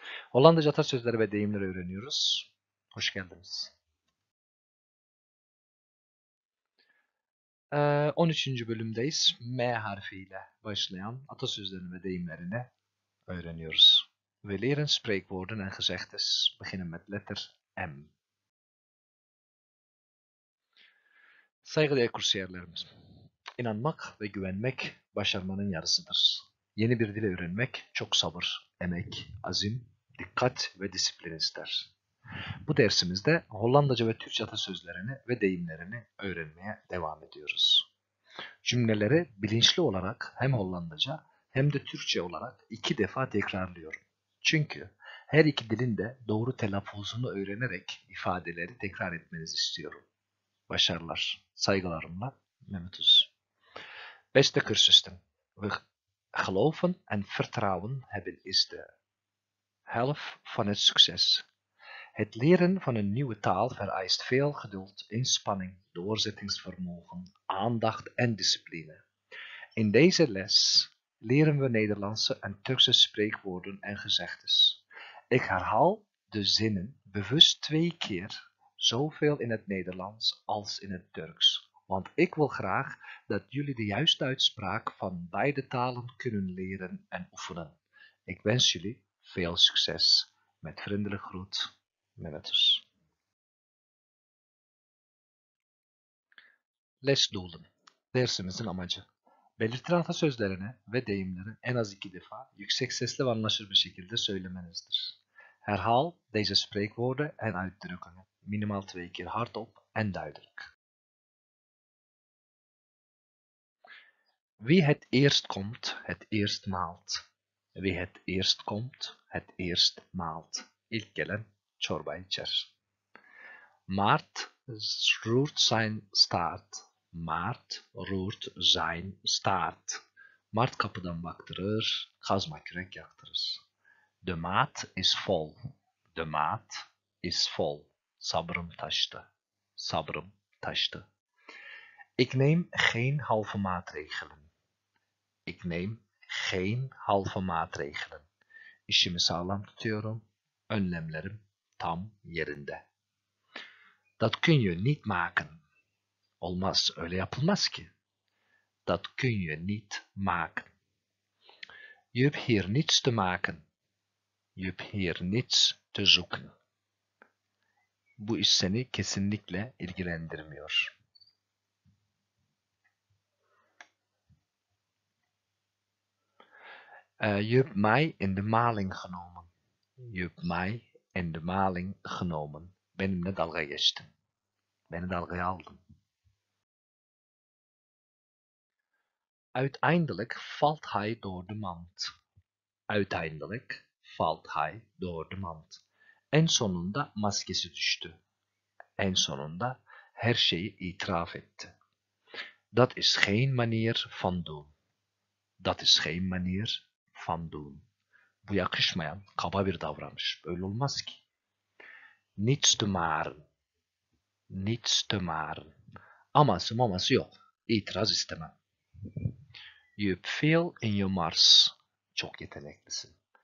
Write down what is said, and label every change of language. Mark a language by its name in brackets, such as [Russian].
[Turkish] Hollandaca atasözleri ve deyimleri öğreniyoruz. Hoş geldiniz. 13. bölümdeyiz. M harfiyle başlayan atasözlerini ve deyimlerini öğreniyoruz. [Dutch] We leren spreekwoorden en gezegdes. Beginnen met letter M. [Turkish] Saygıdeğer kursiyerlerimiz. İnanmak ve güvenmek başarmanın yarısıdır. Yeni bir dil öğrenmek çok sabır, emek, azim, dikkat ve disiplin ister. Bu dersimizde Hollandaca ve Türkçe atasözlerini ve deyimlerini öğrenmeye devam ediyoruz. Cümleleri bilinçli olarak hem Hollandaca hem de Türkçe olarak iki defa tekrarlıyorum. Çünkü her iki dilin de doğru telaffuzunu öğrenerek ifadeleri tekrar etmenizi istiyorum. Başarılar, saygılarımla, Mehmet Uz. [Dutch] Beste cursisten, we geloven en vertrouwen hebben is de helft van het succes. Het leren van een nieuwe taal vereist veel geduld, inspanning, doorzettingsvermogen, aandacht en discipline. In deze les leren we Nederlandse en Turkse spreekwoorden en gezegdes. Ik herhaal de zinnen bewust twee keer, zoveel in het Nederlands als in het Turks. Want ik wil graag dat jullie de juiste uitspraak van beide talen kunnen leren en oefenen. Ik wens jullie veel succes. Met vriendelijke groet, Mehmetus. Lesdoelen. [Turkish] Dersimizin amacı. Belirtilen atasözlerini ve deyimleri en az iki defa yüksek sesle ve anlaşılır bir şekilde söylemenizdir. [Dutch] Herhaal deze spreekwoorden en uitdrukkingen minimaal twee keer hardop en duidelijk. Wie het eerst komt, het eerst maalt. Wie het eerst komt, het eerst maalt. [Turkish] İlk gelen çorba içer. [Dutch] Mart roert zijn staart. Mart roert zijn staart. [Turkish] Mart kapıdan baktırır, kazma kürek yaktırır. [Dutch] De maat is vol. De maat is vol. [Turkish] Sabrım taştı. Sabrım taştı. [Dutch] Ik neem geen halve maatregelen. Ik neem geen halve maatregelen. [Turkish] İşimi sağlam tutuyorum. Önlemlerim tam yerinde. [Dutch] Dat kun je niet maken. [Turkish] Olmaz, öyle yapılmaz ki. [Dutch] Dat kun je niet maken. Je hebt hier niets te maken. Je hebt hier niets te zoeken. [Turkish] Bu iş seni kesinlikle ilgilendirmiyor. [Dutch] Je hebt mij in de maling genomen. Je hebt mij in de maling genomen. [Turkish] Benimle dalga geçtin. Beni dalgaya aldın. [Dutch] Uiteindelijk valt hij door de mand. Uiteindelijk valt hij door de mand. [Turkish] En sonunda maskesi düştü. En sonunda her şeyi itiraf etti. [Dutch] Dat is geen manier van doen. Dat is geen manier van doen. [Turkish] Bu yakışmayan, kaba bir davranış. Öyle olmaz ki. [Dutch] Niets te maren. Niets te maren. [Turkish] Aması maması yok. İtiraz istemem. [Dutch] You have veel in your mars. [Turkish] Çok yeteneklisin.